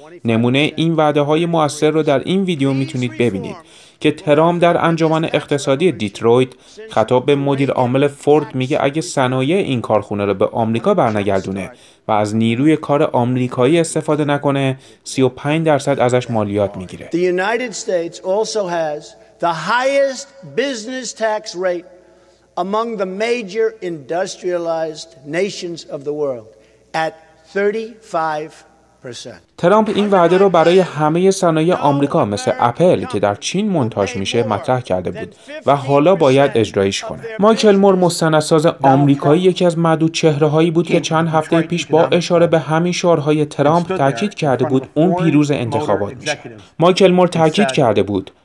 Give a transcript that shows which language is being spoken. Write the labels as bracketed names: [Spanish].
[Persian] نمونه این وعده‌های مؤثر رو در این ویدیو میتونید ببینید که ترامپ در انجمن اقتصادی دیترویت خطاب به مدیر عامل فورد میگه اگه صنایع این کارخونه رو به آمریکا برنگردونه و از نیروی کار آمریکایی استفاده نکنه، 35% ازش مالیات میگیره. [English] The United States also has the highest business tax rate among the major industrialized nations of the world at 35%. [Persian] ترامپ این وعده رو برای همه صنایع آمریکا مثل اپل که در چین مونتاژ میشه مطرح کرده بود و حالا باید اجرایش کنه. مایکل مور، مستندساز آمریکایی، یکی از معدود چهره‌هایی بود که چند هفته پیش با اشاره به همین شعارهای ترامپ تاکید کرده بود اون پیروز انتخابات میشه. مایکل مور تاکید کرده بود